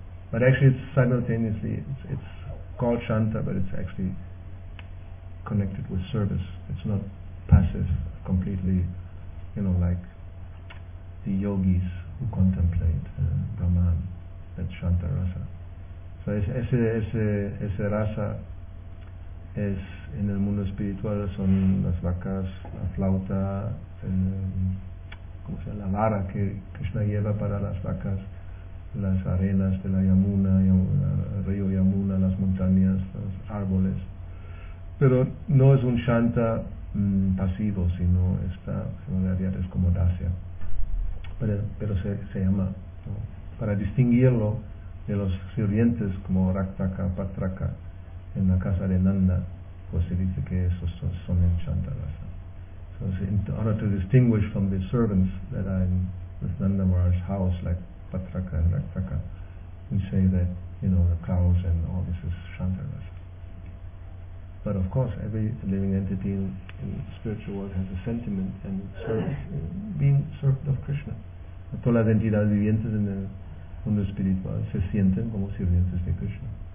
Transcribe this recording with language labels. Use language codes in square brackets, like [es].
[en] But actually, it's simultaneously it's called Shanta, but it's actually connected with service. It's not passive, completely, you know, like the yogis who contemplate Brahman, that Shanta Rasa. [es] So ese rasa es en el mundo espiritual, son las vacas, la flauta, ¿cómo se llama? La vara que Krishna lleva para las vacas, las arenas de la Yamuna, el río Yamuna, las montañas, los árboles. Pero no es un Shanta pasivo, sino está, en realidad es como Dasya. Pero se llama, ¿no? Para distinguirlo de los sirvientes como Raktaka, Patraka, en la casa de Nanda, pues se dice que esos son en Chantarasa. [en] So in order to distinguish from the servants that are in with Nanda Maharaj's house, like Patraka and Raktaka, we say that, you know, the cows and all this is Chantarasa. But of course, every living entity in the spiritual world has a sentiment and being served of Krishna. [es] Todas las entidades vivientes en el mundo espiritual se sienten como sirvientes de Krishna.